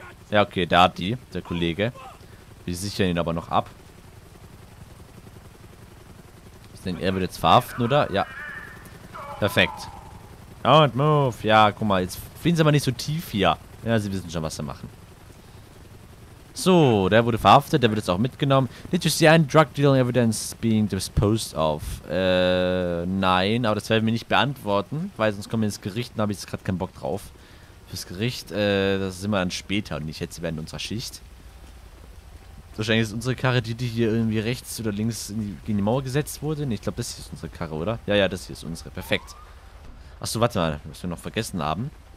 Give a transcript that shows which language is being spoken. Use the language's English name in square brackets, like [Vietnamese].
[German] Ja, okay, da hat die, der Kollege. Wir sichern ihn aber noch ab. Ich denke, er wird jetzt verhaften, oder? Ja. Perfekt. [English] Don't move. [German] Ja, guck mal, jetzt fliehen sie aber nicht so tief hier. Ja, sie wissen schon, was sie machen. So, der wurde verhaftet, der wird jetzt auch mitgenommen. [English] Did you see any drug dealing evidence being disposed of? [German] Nein, aber das werden wir nicht beantworten, weil sonst kommen wir ins Gericht und habe ich jetzt gerade keinen Bock drauf. Fürs Gericht, das sind wir dann später und nicht jetzt während unserer Schicht. Wahrscheinlich ist unsere Karre die hier irgendwie rechts oder links gegen die Mauer gesetzt wurde. Nee, ich glaube, das hier ist unsere Karre, oder? Ja, ja, das hier ist unsere. Perfekt. Achso, warte mal, was wir noch vergessen haben.